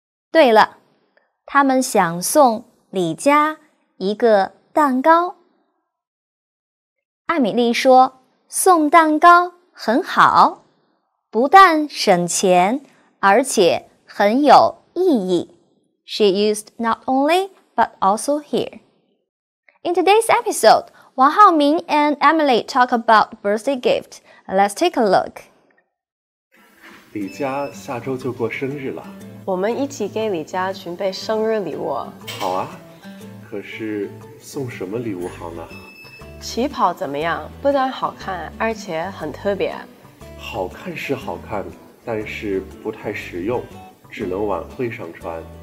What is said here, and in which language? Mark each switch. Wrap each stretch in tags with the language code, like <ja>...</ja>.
<zh>对了，他们想送李佳一个蛋糕。艾米丽说送蛋糕很好，不但省钱而且很有意义。</zh> <en>She used not only but also here. In today's episode, Wang Haoming and Emily talk about birthday gift. Let's take a look.</en> <zh>李佳下周就过生日了，我们一起给李佳准备生日礼物。好啊，可是送什么礼物好呢？旗袍怎么样？不但好看，而且很特别。好看是好看，但是不太实用，只能晚会上穿。</zh>